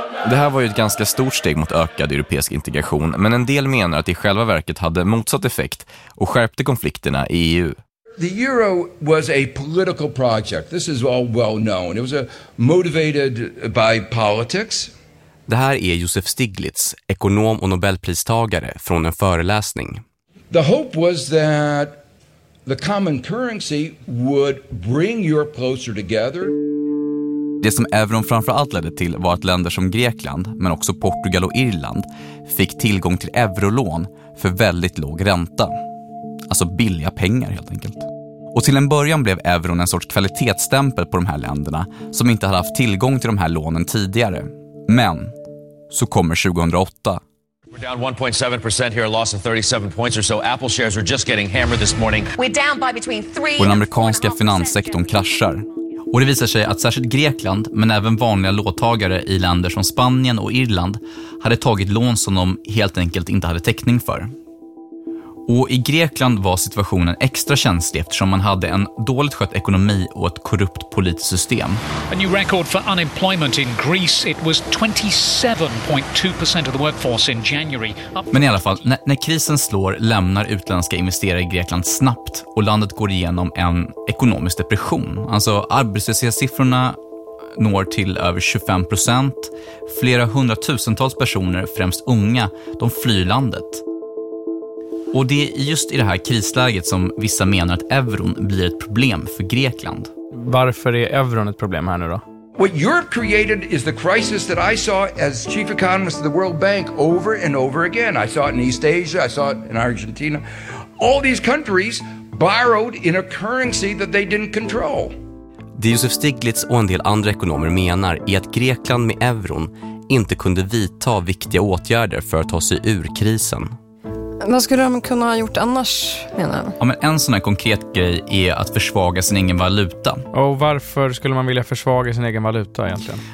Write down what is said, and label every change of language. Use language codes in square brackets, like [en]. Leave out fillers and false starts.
[sv] Det här var ju ett ganska stort steg mot ökad europeisk integration, men en del menar att det i själva verket hade motsatt effekt och skärpte konflikterna i EU. [en] The euro was a political project. This is all well known. It was motivated by politics. [sv] Det här är Josef Stiglitz, ekonom och Nobelpristagare, från en föreläsning. [en] The hope was that the common currency would bring Europe closer together. [sv] Det som euron framförallt ledde till var att länder som Grekland, men också Portugal och Irland, fick tillgång till eurolån för väldigt låg ränta. Alltså billiga pengar helt enkelt. Och till en början blev euron en sorts kvalitetsstämpel på de här länderna som inte hade haft tillgång till de här lånen tidigare. Men så kommer 2008. [en] We're down 1.7% here, a loss of 37 points or so. Apple shares are just getting hammered this morning. We're down by between 3. [sv] Och den amerikanska finanssektorn kraschar. Och det visar sig att särskilt Grekland, men även vanliga låntagare i länder som Spanien och Irland, hade tagit lån som de helt enkelt inte hade täckning för. Och i Grekland var situationen extra känslig eftersom man hade en dåligt skött ekonomi och ett korrupt politiskt system. [en] A new record for unemployment in Greece. It was 27.2% of the workforce in January. [sv] Men i alla fall, när krisen slår lämnar utländska investerare i Grekland snabbt och landet går igenom en ekonomisk depression. Alltså arbetslöshetssiffrorna når till över 25%. Flera hundratusentals personer, främst unga, de flyr landet. Och det är just i det här krisläget som vissa menar att euron blir ett problem för Grekland. Varför är euron ett problem här nu då? [en] What Europe created is the crisis that I saw as chief economist of the World Bank over and over again. I saw it in East Asia, I saw it in Argentina. All these countries borrowed in a currency that they didn't control. [sv] Det Josef Stiglitz och en del andra ekonomer menar är att Grekland med euron inte kunde vidta viktiga åtgärder för att ta sig ur krisen. Vad skulle de kunna ha gjort annars, menar jag? Ja, men en sån här konkret grej är att försvaga sin egen valuta. Och varför skulle man vilja försvaga sin egen valuta egentligen?